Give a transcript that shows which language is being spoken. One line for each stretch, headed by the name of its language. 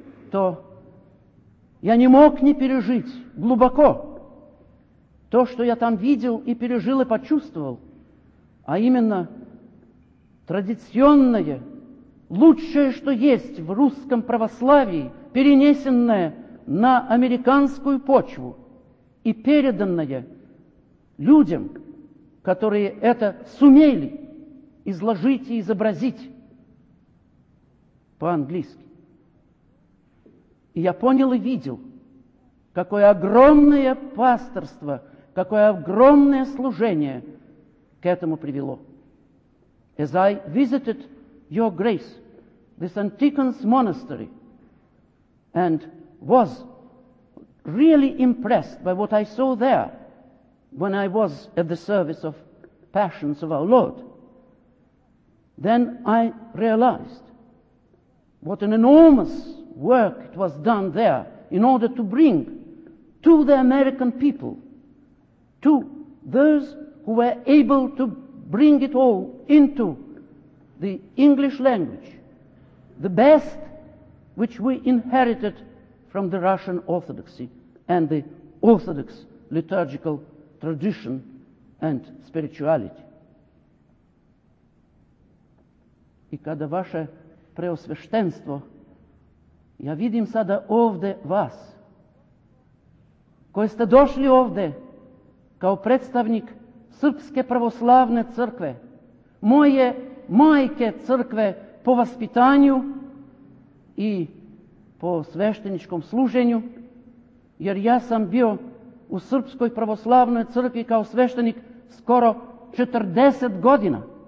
Russian: то я не мог не пережить глубоко то, что я там видел и пережил и почувствовал, а именно традиционное, лучшее, что есть в русском православии, перенесенное на американскую почву и переданное людям, которые это сумели изложить и изобразить по-английски. И я понял и видел, какое огромное пастырство, какое огромное служение к этому привело.
English: As I visited Your Grace, this Antikon's monastery, and was really impressed by what I saw there when I was at the service of Passions of Our Lord, then I realized what an enormous work it was done there in order to bring to the American people, to those who were able to bring it all into the English language, the best which we inherited from the Russian Orthodoxy and the Orthodox liturgical tradition and spirituality.
Russian: И когда ваше преосвященство,
Serbian: я видим сада овде вас, кое сте дошли овде као представник Српске православне цркве, моје мајке цркве по воспитању и по свештеничком служењу, јер ја сам био у Српској православној цркви као свештеник скоро 40 година.